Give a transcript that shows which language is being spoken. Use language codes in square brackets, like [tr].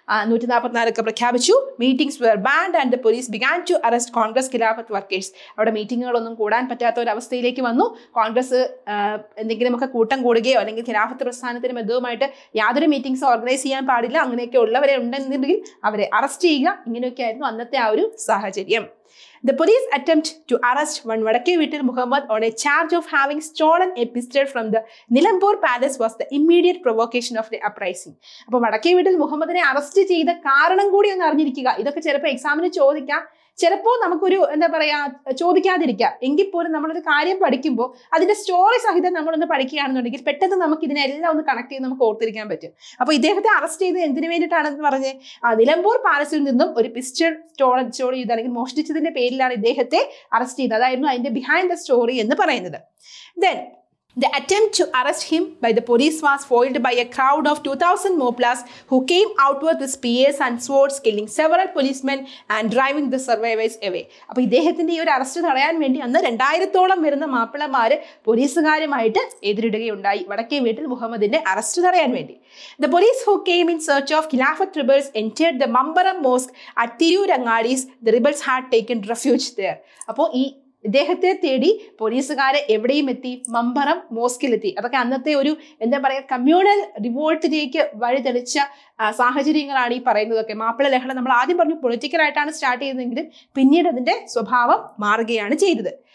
[ml] 144 പ്രഖ്യാപിച്ചു. [en] Meetings were banned and the police began to arrest Congress Khilafat workers. [ml] അവിടെ മീറ്റിങ്ങുകളൊന്നും കൂടാൻ പറ്റാത്ത ഒരവസ്ഥയിലേക്ക് വന്നു. കോൺഗ്രസ് എന്തെങ്കിലുമൊക്കെ കൂട്ടം കൂടുകയോ അല്ലെങ്കിൽ ഖിലാഫത്ത് പ്രസ്ഥാനത്തിന് ബന്ധവുമായിട്ട് യാതൊരു മീറ്റിംഗ്സ് ഓർഗനൈസ് ചെയ്യാൻ പാടില്ല, അങ്ങനെയൊക്കെ ഉള്ളവരെ ഉണ്ടെന്നുണ്ടെങ്കിൽ അവരെ അറസ്റ്റ് ചെയ്യുക, ഇങ്ങനെയൊക്കെ ആയിരുന്നു അന്നത്തെ ആ ഒരു സാഹചര്യം. [en] The police attempt to arrest one Vadakke Veetil Muhammad on a charge of having stolen a pistol from the Nilambur Palace was the immediate provocation of the uprising. [ml] അപ്പൊ Vadakke Veetil Muhammadിനെ അറസ്റ്റ് ചെയ്ത കാരണം കൂടി ഒന്ന് അറിഞ്ഞിരിക്കുക. ഇതൊക്കെ ചിലപ്പോൾ എക്സാമിന് ചോദിക്കാം, ചിലപ്പോൾ നമുക്കൊരു എന്താ പറയാ ചോദിക്കാതിരിക്കാം. എങ്കിൽ പോലും നമ്മളൊരു കാര്യം പഠിക്കുമ്പോൾ അതിന്റെ സ്റ്റോറി സഹിതം നമ്മളൊന്ന് പഠിക്കുകയാണെന്നുണ്ടെങ്കിൽ പെട്ടെന്ന് നമുക്ക് ഇതിനെല്ലാം ഒന്ന് കണക്ട് ചെയ്ത് നമുക്ക് ഓർത്തിരിക്കാൻ പറ്റും. അപ്പൊ ഇദ്ദേഹത്തെ അറസ്റ്റ് ചെയ്ത് എന്തിനു വേണ്ടിയിട്ടാണെന്ന് പറഞ്ഞ് നിലമ്പൂർ പാലസിൽ നിന്നും ഒരു പിസ്റ്റൾ സ്റ്റോൾ ചെയ്ത് അല്ലെങ്കിൽ മോഷ്ടിച്ചതിന്റെ പേരിലാണ് ഇദ്ദേഹത്തെ അറസ്റ്റ് ചെയ്തത്. അതായിരുന്നു അതിന്റെ [en] behind the story [ml] എന്ന് പറയുന്നത്. [en] Then The attempt to arrest him by the police was foiled by a crowd of 2,000 moplas who came outward with spears and swords, killing several policemen and driving the survivors away. [ml] അപ്പോൾ ഇദ്ദേഹത്തിന്റെ ഈ ഒരു arrest തടയാൻ വേണ്ടി അന്ന് 2,000 വരുന്ന മാപ്പിളമാര് പോലീസുകാരുമായിട്ട് എതിരിടുകയുണ്ടായി വടക്കേ വീട്ടിൽ മുഹമ്മദിന്റെ അറസ്റ്റ് തടയാൻ വേണ്ടി. [en] The police who came in search of Khilafat rebels entered the Mambaram Mosque at Tirur Angadis. The rebels had taken refuge there. [ml] അപ്പോൾ ഈ ഇദ്ദേഹത്തെ തേടി പോലീസുകാരെ എവിടെയും എത്തി, മമ്പറം മോസ്കിലെത്തി. അതൊക്കെ അന്നത്തെ ഒരു എന്താ പറയുക കമ്മ്യൂണൽ റിവോൾട്ടിലേക്ക് വഴിതെളിച്ച സാഹചര്യങ്ങളാണ് ഈ പറയുന്നതൊക്കെ. മാപ്പിള ലഹള നമ്മൾ ആദ്യം പറഞ്ഞു പൊളിറ്റിക്കൽ ആയിട്ടാണ് സ്റ്റാർട്ട് ചെയ്തതെങ്കിലും പിന്നീട് അതിന്റെ സ്വഭാവം മാറുകയാണ് ചെയ്തത്.